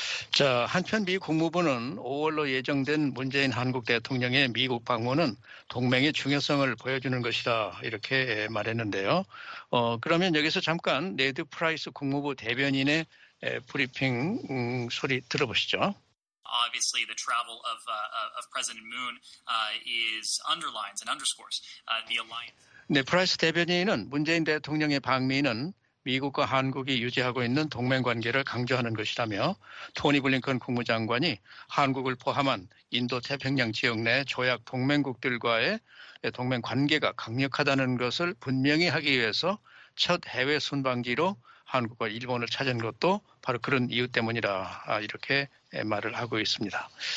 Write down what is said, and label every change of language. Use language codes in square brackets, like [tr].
[ko] 자, 한편 미 국무부는 5월로 예정된 문재인 한국 대통령의 미국 방문은 동맹의 중요성을 보여주는 것이다 이렇게 말했는데요. 그러면 여기서 잠깐 네드 프라이스 국무부 대변인의 브리핑 소리 들어보시죠. [en] obviously the travel of President Moon is underlines and underscores the alliance. [ko] 네, 프라이스 대변인은 문재인 대통령의 방미는 미국과 한국이 유지하고 있는 동맹 관계를 강조하는 것이라며 토니 블링컨 국무장관이 한국을 포함한 인도 태평양 지역 내 조약 동맹국들과의 동맹 관계가 강력하다는 것을 분명히 하기 위해서 첫 해외 순방지로 한국과 일본을 찾은 것도 바로 그런 이유 때문이라 이렇게 말을 하고 있습니다.